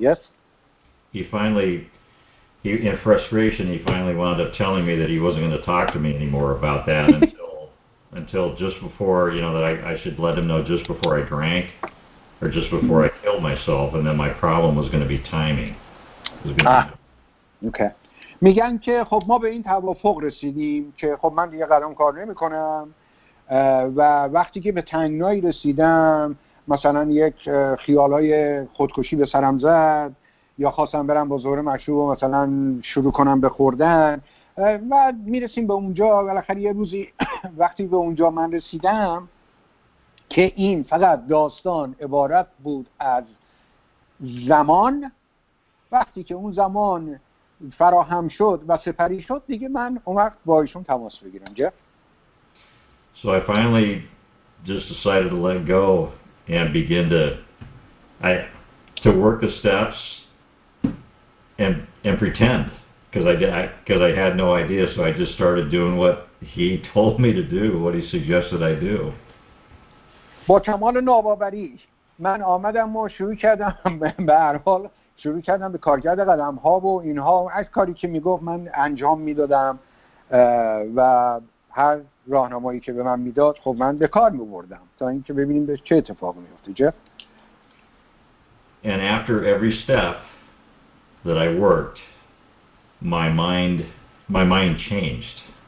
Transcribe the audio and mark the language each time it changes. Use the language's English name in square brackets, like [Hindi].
[English] Yes? He finally, in frustration, he finally wound up telling me that he wasn't going to talk to me anymore about that until just before, you know, that I should let him know just before I drank or just before I killed myself, and then my problem was going to be timing. Okay. [Persian] میگن که خب ما به این توافق رسیدیم که خب من دیگه قدم کار نمی کنم. و وقتی که به تنگنایی رسیدم مثلا یک خیالای خودکشی به سرم زد یا خواستم برم با زهر مشروب و مثلا شروع کنم به خوردن و میرسیم به اونجا بالاخره یه روزی وقتی به اونجا من رسیدم که این فقط داستان عبارت بود از زمان وقتی که اون زمان فراهم شد و سپری شد دیگه من اون وقت با ایشون تماس بگیرم جه [English] So I finally just decided to let go and begin to work the steps and pretend because I had no idea. So I just started doing what he told me to do, what he suggested I do. [Persian] با تمام ناباوری من آمدم و شروع کردم به هر حال شروع کردم به کار کردن قدم ها و اینها از کاری که میگفت من انجام میدادم و هر راهنمایی که به من میداد خب من به کار می‌بردم تا اینکه ببینیم به چه اتفاقی میفته جه [English] And after every step that I worked my mind changed